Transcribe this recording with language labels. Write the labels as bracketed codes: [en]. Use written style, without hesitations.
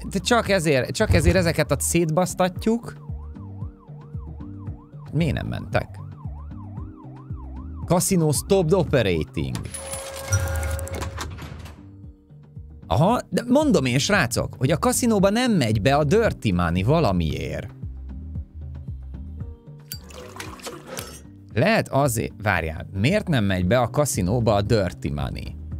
[hu] De csak ezért ezeket a szétbasztatjuk. Miért nem mentek? [en] Casino stopped operating. [hu] Aha, de mondom én, srácok, hogy a kaszinóba nem megy be a dirty money valamiért. Lehet azért... Várjál, miért nem megy be a kaszinóba a dirty money?